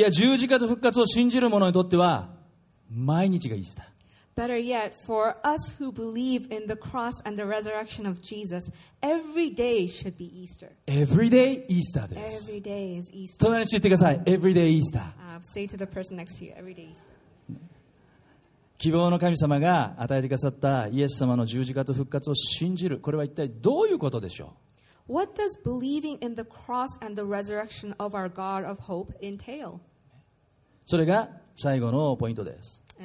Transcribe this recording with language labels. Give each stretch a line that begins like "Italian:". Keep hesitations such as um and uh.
Japanese: や十字架と復活を信じる者にとっては毎日がイースター。
English: Better yet, for us who believe in the cross and the resurrection of Jesus, every day should be Easter. Every day Easter. Every day is Easter.
Japanese: 隣に言ってください.
English: Every day Easter. Uh, say to the person next to you, every day Easter.
Japanese: 希望の神様が与えてくださったイエス様の十字架と復活を信じる。これは一体どういうことでしょう?
English: what does believing in the cross and the resurrection of our God of hope entail?
Japanese: それが最後のポイントです。